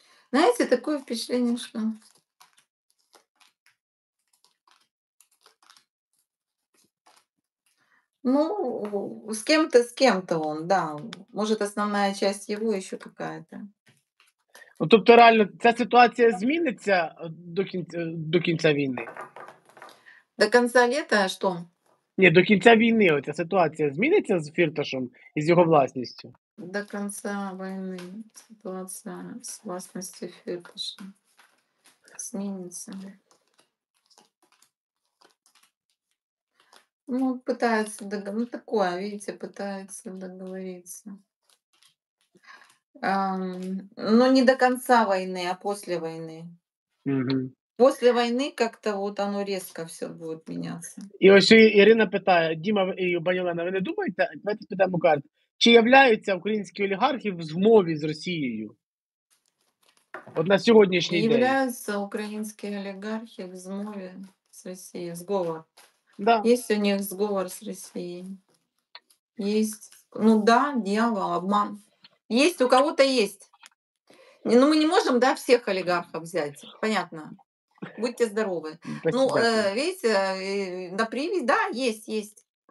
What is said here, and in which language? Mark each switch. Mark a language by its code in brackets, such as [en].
[ru] Знаете, такое впечатление, что... Ну, с кем-то он, да. Может, основная часть его еще какая-то. [uk] Ну, тобто, реально, ця ситуація зміниться до кінця війни? До кінця літа, а що? Ні, до кінця війни оця ситуація зміниться з Фірташем і з його власністю? До кінця війни ситуація з власністю Фірташа зміниться. Ну, питається, ну, таке, видите, питається договоритися. [ru] Ну, не до конца войны, а после войны. Угу. После войны как-то вот оно резко все будет меняться. [uk] И ось Ирина питає, Дима и Банилена, [ru] вы не думаете, [uk] давайте питаємо карт, чи являються українські олігархи в змові з Росією? От на сьогоднішній день. Являються українські олігархи в змові з Росією, зговор. [ru] Да. Есть у них зговор с Россией. Есть. Ну да, дьявол, обман. Есть, у кого-то есть. Ну, мы не можем, да, всех олигархов взять. Понятно. Будьте здоровы. Спасибо. Ну, видите, на привязь, да, есть.